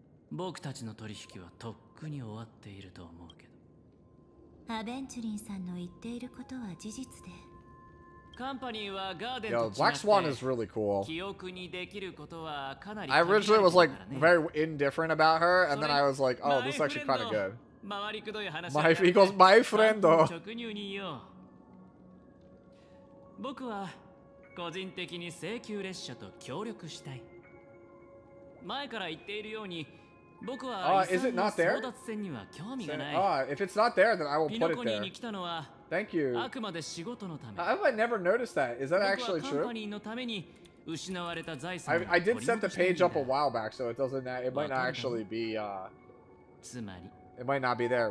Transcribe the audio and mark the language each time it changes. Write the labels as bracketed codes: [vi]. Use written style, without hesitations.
[ja] 僕たちの取引はとっくに終わっていると思う。アベンチュリンさんの言っていることは事実で。カンパニーはガーデンと違って。 [en] Black Swan is really cool. [ja] 記憶にできることはかなり。 [en] I originally was like very indifferent about her, and then I was like, oh, this is actually kind of good. [ja] 周りくどい話。 [en] He goes, my friend. [ja] 直入に言おう。僕は個人的に請求列車と協力したい。前から言っているように。 [en] Is it not there? If it's not there, then I will put it there. Thank you. I've never noticed that. Is that actually true? I did set the page up a while back, so it might not actually be. It might not be there.